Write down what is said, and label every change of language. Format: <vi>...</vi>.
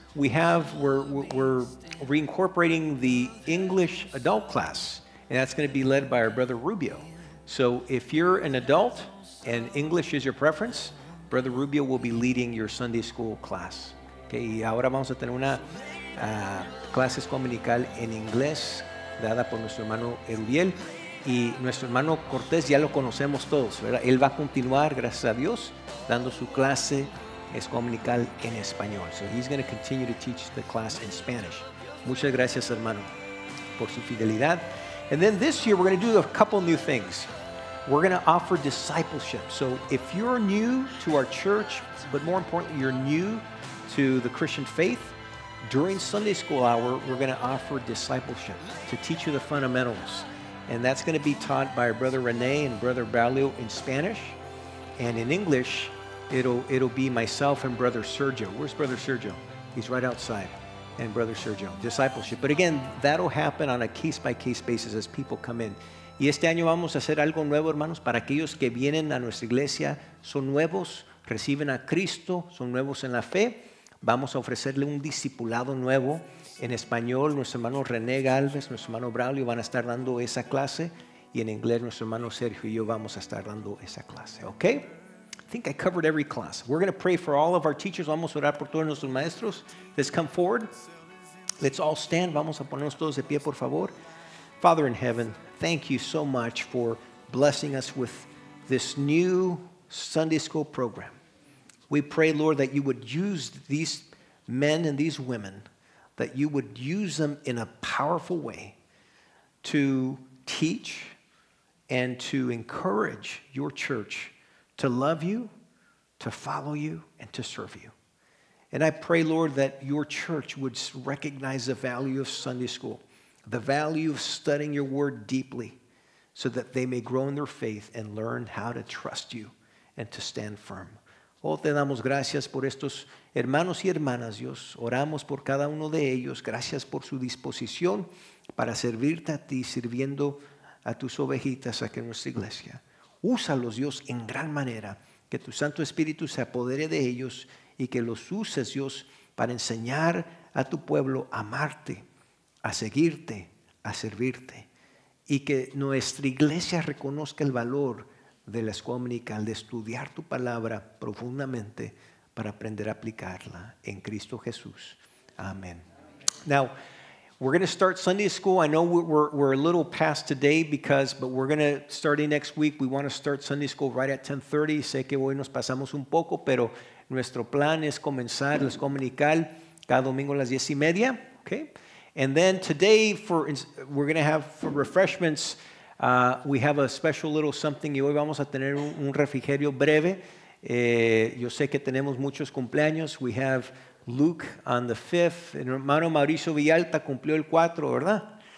<en>We're reincorporating the English adult class, and that's going to be led by our brother Rubio. So if you're an adult and English is your preference, Brother Rubio will be leading your Sunday school class.</en> <es>Okay, y ahora vamos a tener una clase dominical en inglés dada por nuestro hermano Erubiel. Y nuestro hermano Cortés ya lo conocemos todos, ¿verdad? Él va a continuar, gracias a Dios, dando su clase dominical en español.</es> <en>So he's going to continue to teach the class in Spanish.</en> <es>Muchas gracias, hermano, por su fidelidad.</es> <en>And then this year, we're going to do a couple new things. We're going to offer discipleship. So if you're new to our church, but more importantly, you're new to the Christian faith, during Sunday school hour, we're going to offer discipleship to teach you the fundamentals. And that's going to be taught by Brother Rene and Brother Braulio in Spanish. And in English, it'll be myself and Brother Sergio. Where's Brother Sergio? He's right outside. And Brother Sergio, discipleship. But again, that'll happen on a case-by-case basis as people come in.</en> <es>Y este año vamos a hacer algo nuevo, hermanos, para aquellos que vienen a nuestra iglesia, son nuevos, reciben a Cristo, son nuevos en la fe. Vamos a ofrecerle un discipulado nuevo en español. Nuestro hermano René Galvez, nuestro hermano Braulio van a estar dando esa clase. Y en inglés, nuestro hermano Sergio y yo vamos a estar dando esa clase.</es> <en>Okay? I think I covered every class. We're going to pray for all of our teachers.</en> <es>Vamos a orar por todos nuestros maestros.</es> <en>Let's come forward. Let's all stand.</en> <es>Vamos a ponernos todos de pie, por favor.</es> <en>Father in heaven, thank you so much for blessing us with this new Sunday school program. We pray, Lord, that you would use these men and these women, that you would use them in a powerful way to teach and to encourage your church to love you, to follow you, and to serve you. And I pray, Lord, that your church would recognize the value of Sunday school, the value of studying your word deeply so that they may grow in their faith and learn how to trust you and to stand firm.</en> <es>Oh, te damos gracias por estos hermanos y hermanas, Dios. Oramos por cada uno de ellos. Gracias por su disposición para servirte a ti, sirviendo a tus ovejitas aquí en nuestra iglesia. Úsalos, Dios, en gran manera. Que tu Santo Espíritu se apodere de ellos y que los uses, Dios, para enseñar a tu pueblo a amarte, a seguirte, a servirte. Y que nuestra iglesia reconozca el valor de la escuela dominical de estudiar tu palabra profundamente para aprender a aplicarla en Cristo Jesús.</es> <en>Amén. Now, we're going to start Sunday school. I know we're a little past today but we're going to starting next week. We want to start Sunday school right at 10:30.</en> <es>Sé que hoy nos pasamos un poco, pero nuestro plan es comenzar la escuela dominical cada domingo a las 10:30.</es> <en>Okay? And then today we're going to have for refreshments. We have a special little something.</en> <es>Y hoy vamos a tener un refrigerio breve. Yo sé que tenemos muchos cumpleaños.</es> <en>We have Luke on the 5th.</en> <es>And hermano Mauricio Villalta cumplió el 4, ¿verdad?</es>